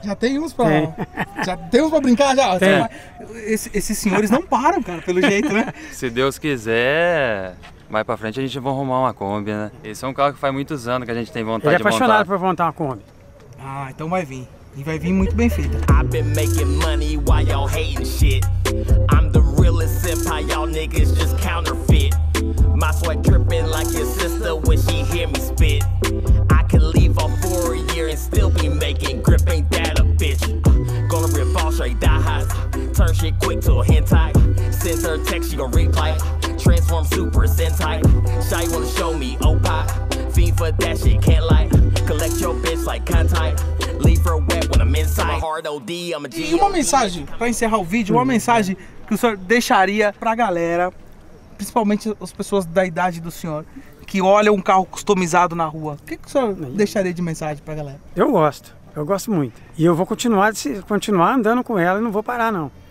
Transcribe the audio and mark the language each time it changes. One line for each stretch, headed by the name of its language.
Portuguese: Já tem uns pra... Já tem uns pra brincar, já? Tem. Esses senhores não param, cara, pelo jeito, né? Se Deus quiser, mais pra frente a gente vai arrumar uma Kombi, né? Esse é um carro que faz muitos anos que a gente tem vontade de montar. Ele é apaixonado por montar uma Kombi. Ah, então vai vir. E vai vir muito bem feito.
English: I've been making money while y'all hating shit. I'm the realest empire, y'all niggas just counterfeit. My sweat dripping like your sister when she hear me spit. I could leave off for a year and still be making grip. Ain't that a bitch? Gonna rip all straight die highs. Turn shit quick to a hentai. Send her text, she gon' reply. Transform super sentai. Shy wanna show me opi. Fiend for that shit, can't lie. Collect your bitch like Kantai. Leave her wet when I'm inside. Hard OD, I'm a G.
Portuguese: E uma mensagem pra encerrar o vídeo, uma mensagem que o senhor deixaria pra galera. Principalmente as pessoas da idade do senhor, que olham um carro customizado na rua. O que, que o senhor deixaria de mensagem pra galera? Eu gosto muito. E eu vou continuar andando com ela e não vou parar, não.